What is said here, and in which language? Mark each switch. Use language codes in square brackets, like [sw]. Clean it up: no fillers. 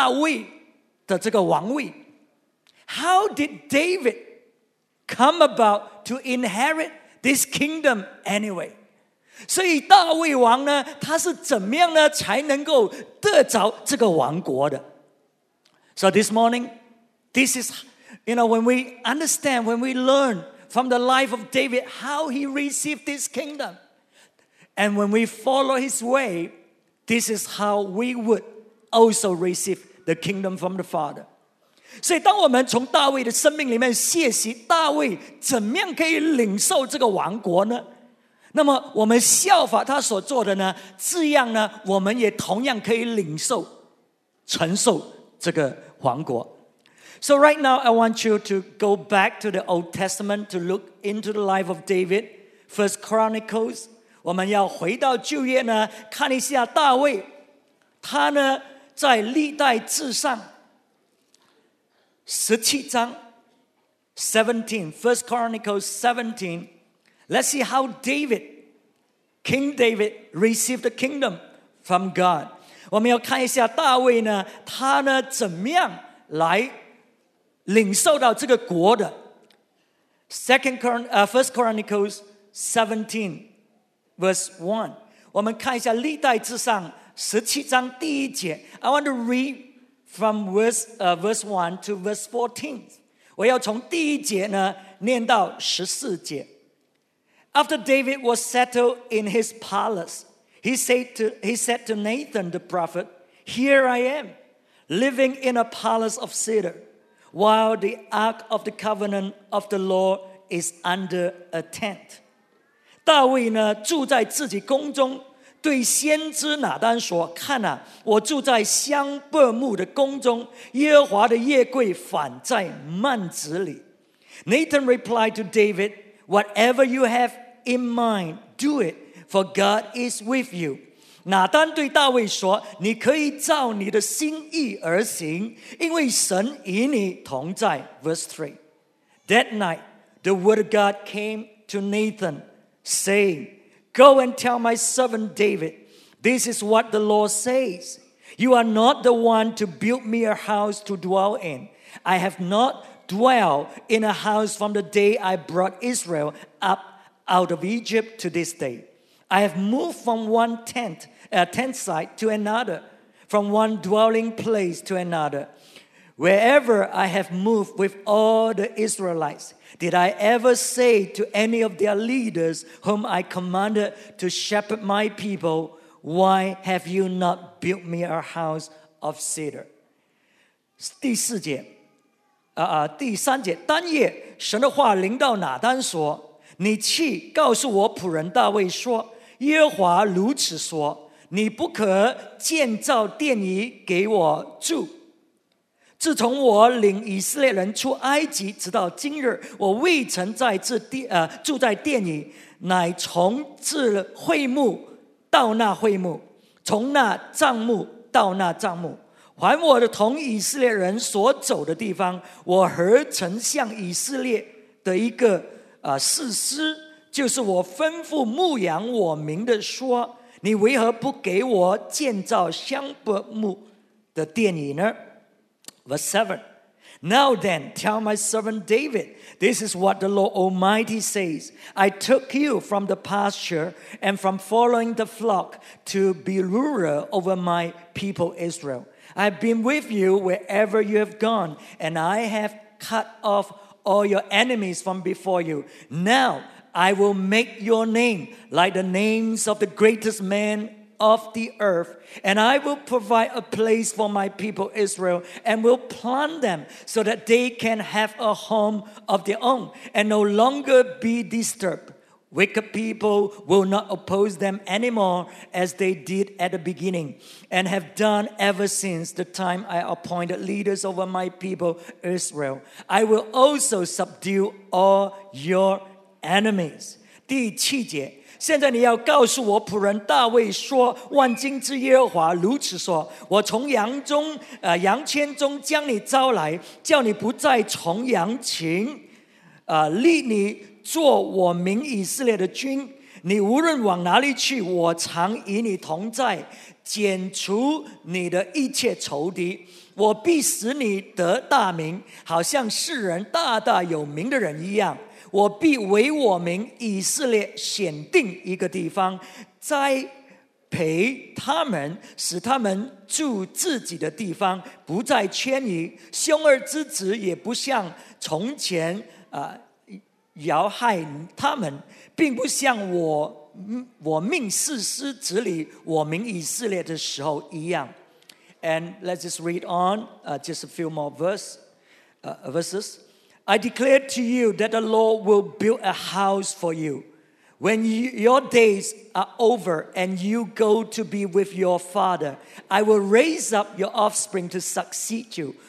[zh] 为什么神呢要给他的儿子这个大卫的这个王位? [en] How did David come about to inherit this kingdom anyway? [zh] 所以大卫王呢，他是怎么样呢，才能够得着这个王国的？ [en] So this morning, this is, you know, when we understand, when we learn from the life of David, how he received this kingdom. And when we follow His way, this is how we would also receive the kingdom from the Father. [zh] 所以当我们从大卫的生命里面学习大卫怎么样可以领受这个王国呢？那么我们效法他所做的呢，这样呢，我们也同样可以领受、承受这个王国。 [en] So right now, I want you to go back to the Old Testament to look into the life of David, First Chronicles. [zh] 我们要回到旧约呢，看一下大卫，他呢在历代志上十七章 [en] 17, First Chronicles 17. Let's see how David, King David, received the kingdom from God. [zh] 我们要看一下大卫呢，他呢怎么样来领受到这个国的。 [en] First Chronicles 17, verse 1. [zh] 我们看一下历代志上十七章第一节。 [en] I want to read from verse 1 to verse 14. [zh] 我要从第一节呢念到十四节。 [en] After David was settled in his palace, he said to Nathan the prophet, Here I am, living in a palace of cedar, while the ark of the covenant of the Lord is under a tent. [zh] 大卫呢住在自己宫中，对先知拿单说，看啊，我住在香柏木的宫中，耶和华的约柜反在幔子里。 [en] Nathan replied to David,Whatever you have in mind, do it, for God is with you. [zh] 拿单对大卫说，你可以照你的心意而行，因为神与你同在。 [en] Verse 3. That night, the word of God came to Nathan, saying, Go and tell my servant David, this is what the Lord says. You are not the one to build me a house to dwell in. I have notDwell in a house from the day I brought Israel up out of Egypt to this day. I have moved from one tent site to another, from one dwelling place to another. Wherever I have moved with all the Israelites, did I ever say to any of their leaders whom I commanded to shepherd my people, Why have you not built me a house of cedar? [zh] 第四节第三节，当夜，神的话临到拿单说：“你去告诉我仆人大卫说，耶和华如此说：你不可建造殿宇给我住。自从我领以色列人出埃及，直到今日，我未曾在这地住在殿宇，乃从这会幕到那会幕，从那帐幕到那帐幕。” 还我的同以色列人所走的地方，我何曾向以色列的一个士师，就是我吩咐牧养我民的说，你为何不给我建造香柏木的殿宇呢？ [en] Verse 7. Now then, tell my servant David, this is what the Lord Almighty says. I took you from the pasture and from following the flock to be ruler over my people Israel. I've been with you wherever you have gone, and I have cut off all your enemies from before you. Now I will make your name like the names of the greatest men of the earth, and I will provide a place for my people Israel, and will plant them so that they can have a home of their own, and no longer be disturbed. Wicked people will not oppose them anymore as they did at the beginning and have done ever since the time I appointed leaders over my people Israel. I will also subdue all your enemies. [zh] 第七节，现在你要告诉我仆人大卫说，万军之耶和华如此说，我从羊圈中将你招来，叫你不再从羊群立你做我民以色列的君，你无论往哪里去，我常与你同在，剪除你的一切仇敌，我必使你得大名，好像世人大大有名的人一样。我必为我民以色列选定一个地方，栽培他们，使他们住自己的地方，不再迁移，兄儿之子也不像从前摇害他们，并不像我我命士师子里我名以色列的时候一样。 [en] And let's just read on、just a few more verses. I declare to you that the Lord will build a house for you. When your days are over and you go to be with your father, I will raise up your offspring to succeed you.